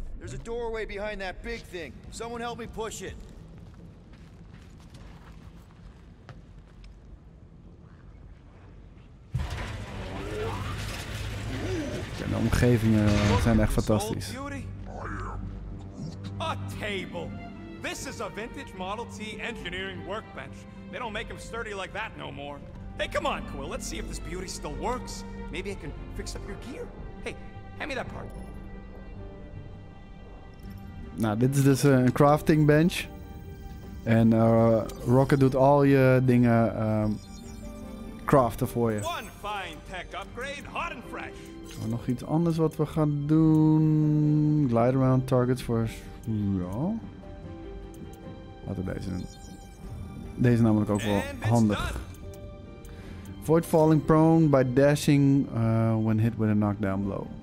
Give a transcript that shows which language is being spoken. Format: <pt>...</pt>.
<en>There's a doorway behind that big thing. Someone help me push it.</en> <nl>De omgevingen zijn echt fantastisch.</nl> <en>I am A table. This is a vintage Model T engineering workbench. They don't make them sturdy like that no more. Hey, come on, Quill. Let's see if this beauty still works. Maybe I can fix up your gear. Hey, hand me that part.</en> <nl>Nou, dit is dus een crafting bench. En Rocket doet al je dingen craften voor je.</nl> <en>One fine tech upgrade, hot and fresh.</en> <nl>Nog iets anders wat we gaan doen.</nl> <en>Glide around targets</en> <nl>voor. Ja. Laten we deze doen. Deze namelijk ook wel handig.</nl> <en>Avoid falling prone by dashing when hit with a knockdown blow.</en>